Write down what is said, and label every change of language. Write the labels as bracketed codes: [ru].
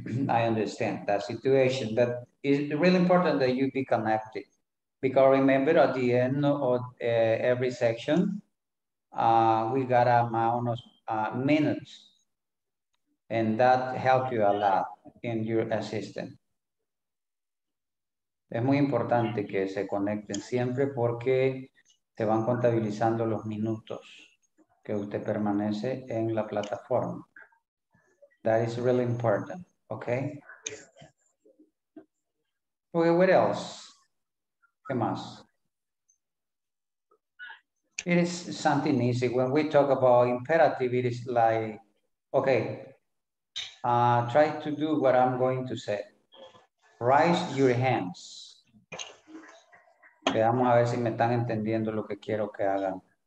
[en] I understand that situation, but it's really important that you be connected. Because remember at the end of every section, we got [es] unos [en] minutes. And that helped you a lot in your assistant. [es] Es muy importante que se conecten siempre porque te van contabilizando los minutos que usted permanece en la plataforma. [en] That is really important, okay? Okay, what else? [es] ¿Qué más? [en] It is something easy. When we talk about imperative, it is like, okay, try to do what I'm going to say. Raise your hands. [es] Veamos a ver si me están entendiendo lo que quiero que hagan.